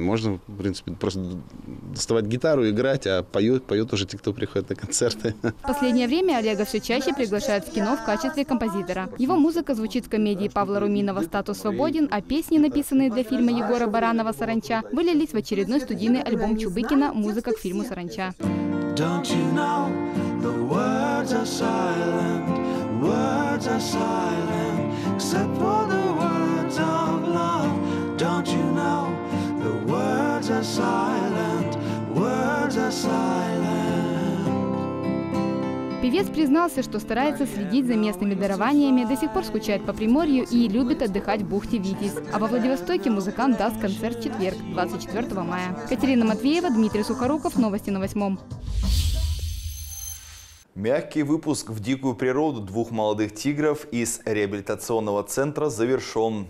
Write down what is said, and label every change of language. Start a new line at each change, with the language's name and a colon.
Russian: Можно, в принципе, просто доставать гитару и играть, а поют уже те, кто приходит на концерты. В последнее время Олега все чаще приглашают в кино в качестве композитора. Его музыка звучит в комедии Павла Руминова «Статус свободен», а песни, написанные для фильма Егора Баранова «Саранча», вылились в очередной студийный альбом Чубыкина «Музыка к фильму «Саранча».
English: Words are silent, except for the words of love. Don't you know, the words are silent, words are silent.
Russian: Певец признался, что старается следить за местными дарованиями, до сих пор скучает по Приморью и любит отдыхать в бухте Витязь. А во Владивостоке музыкант даст концерт в четверг, 24 мая. Катерина Матвеева, Дмитрий Сухоруков, новости на восьмом. Мягкий выпуск в дикую природу двух молодых тигров из реабилитационного центра завершен.